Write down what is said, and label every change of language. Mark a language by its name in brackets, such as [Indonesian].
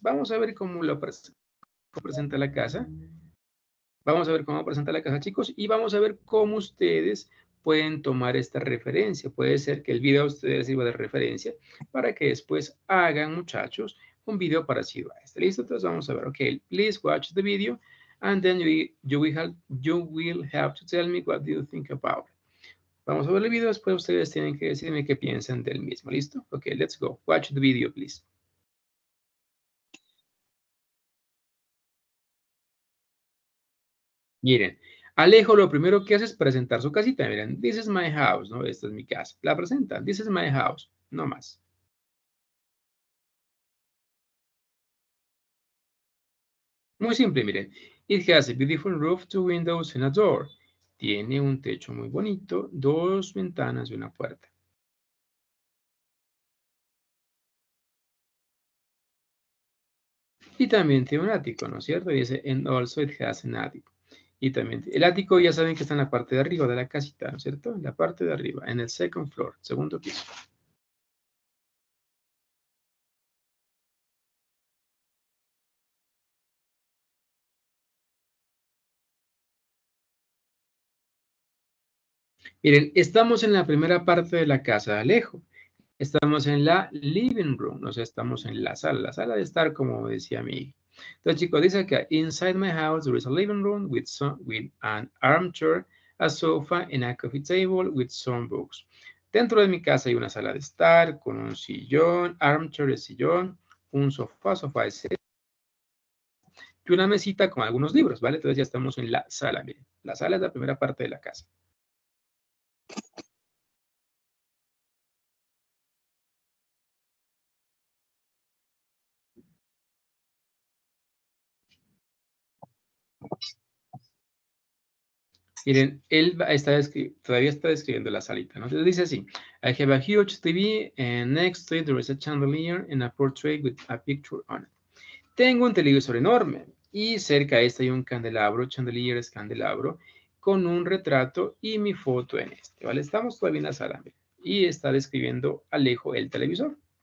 [Spanish] Vamos a ver cómo lo presenta la casa. Vamos a ver cómo presenta la casa, chicos. Y vamos a ver cómo ustedes pueden tomar esta referencia. Puede ser que el video a ustedes sirva de referencia para que después hagan, muchachos, un video parecido a este. ¿Listo? Entonces vamos a ver. [English] Ok, please watch the video. And then you will have to tell me what you think about it. [Spanish] Vamos a ver el video, después ustedes tienen que decirme qué piensan del mismo, ¿listo? [English] Ok, let's go. Watch the video, please. [Spanish] Miren, Alejo lo primero que hace es presentar su casita. Miren, [English] this is my house, [Spanish] ¿no? Esta es mi casa. La presenta, this is my house, no más. Muy simple, miren. [English] It has a beautiful roof, two windows and a door. [Spanish] Tiene un techo muy bonito, dos ventanas y una puerta. Y también tiene un ático, ¿no es cierto? Dice, [English] and also it has an attic. [Spanish] Y también, el ático ya saben que está en la parte de arriba de la casita, ¿no es cierto? En la parte de arriba, en el second floor, segundo piso. Miren, estamos en la primera parte de la casa de Alejo. Estamos en la living room, o sea, estamos en la sala de estar, como decía mi hija. Entonces, chicos, dice acá, [English] inside my house there is a living room with an armchair, a sofa and a coffee table with some books. [Spanish] Dentro de mi casa hay una sala de estar con un sillón, armchair de sillón, un sofá, sofá de y una mesita con algunos libros, ¿vale? Entonces ya estamos en la sala, miren. La sala es la primera parte de la casa. Miren, él todavía está describiendo la salita, ¿no? Entonces dice así: [English] I have a huge TV, and next to it there is a chandelier and a portrait with a picture on it. [Spanish] Tengo un televisor enorme, y cerca de este hay un candelabro, chandelier es candelabro, con un retrato y mi foto en este, ¿vale? Estamos todavía en la sala, ¿vale? Y está describiendo Alejo el televisor.